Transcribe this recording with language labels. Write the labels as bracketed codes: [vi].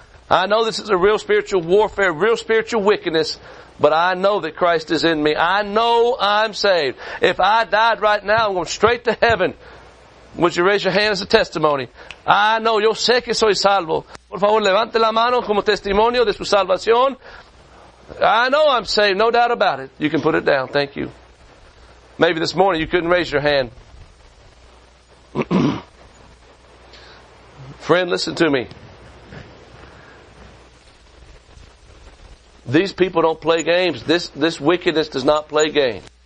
[en] I know this is a real spiritual warfare, real spiritual wickedness, but I know that Christ is in me. I know I'm saved. If I died right now, I'm going straight to heaven. Would you raise your hand as a testimony? I know, [es] yo sé que soy salvo. Por favor, levante la mano como testimonio de su salvación. [en] I know I'm saved, no doubt about it. You can put it down, thank you. Maybe this morning you couldn't raise your hand. Friend, listen to me. These people don't play games. This wickedness does not play games.